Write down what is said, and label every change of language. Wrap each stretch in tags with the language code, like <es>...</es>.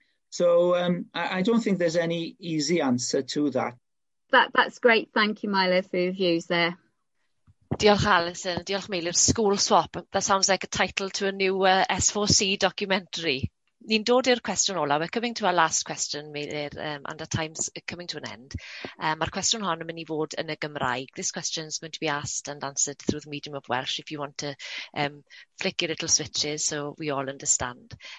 <en>So I don't think there's any easy answer to that. That's great. Thank you, Milo, for your views there.</en> <cy>Diolch, Alison. Diolch, Meilir.</cy> <en>School swap. That sounds like a title to a new S4C documentary.</en> <cy>Ni'n dod i'r cwestiwn ola.</cy> <en>We're coming to our last question, Meilir, and our time's coming to an end.</en> <cy>Our cwestiwn hon yn mynd i fod yn y Gymraeg.</cy> <en>This question is going to be asked and answered through the medium of Welsh if you want to flick your little switches so we all understand.</en>